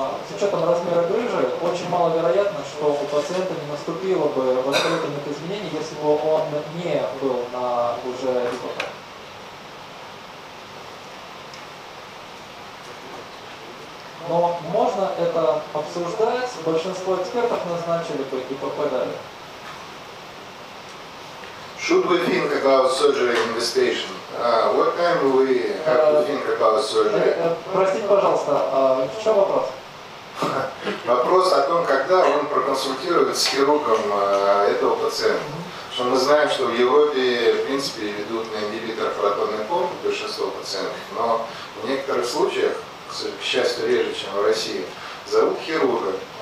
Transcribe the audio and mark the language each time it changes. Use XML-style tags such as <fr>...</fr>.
<ru>С учетом размера грыжи, очень маловероятно, что у пациента не наступило бы воспалительных изменений, если бы он не был на уже ИПП. Но можно это обсуждать. Большинство экспертов назначили бы ИПП далее.</ru> <en>Should we think about surgery in this patient? What time we have to think about surgery?</en> <ru>Простите, пожалуйста, в чем вопрос? Вопрос о том, когда он проконсультирует с хирургом этого пациента. Что мы знаем, что в Европе, в принципе, ведут на ингибитор протонной помпы большинство пациентов, но в некоторых случаях, к счастью, реже, чем в России, зовут хирурга.</ru>